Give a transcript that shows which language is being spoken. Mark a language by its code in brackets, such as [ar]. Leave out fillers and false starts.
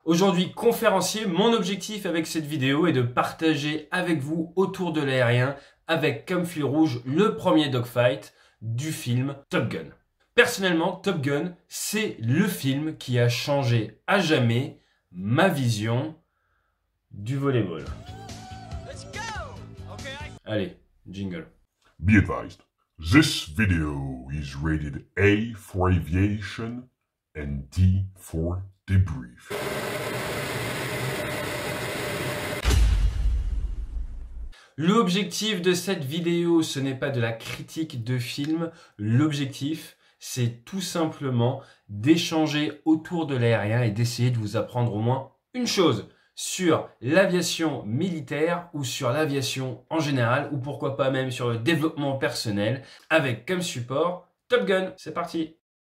[fr] Aujourd'hui, conférencier, mon objectif avec cette vidéo est de partager avec vous autour de l'aérien, avec comme fil rouge, le premier dogfight du film Top Gun. Personnellement, Top Gun, c'est le film qui a changé à jamais ma vision du volleyball. Allez, jingle. [en] Be advised, this video is rated A for aviation and D for debrief. [fr] L'objectif de cette vidéo, ce n'est pas de la critique de film. L'objectif, c'est tout simplement d'échanger autour de l'aérien et d'essayer de vous apprendre au moins une chose sur l'aviation militaire ou sur l'aviation en général ou pourquoi pas même sur le développement personnel avec comme support Top Gun. C'est parti!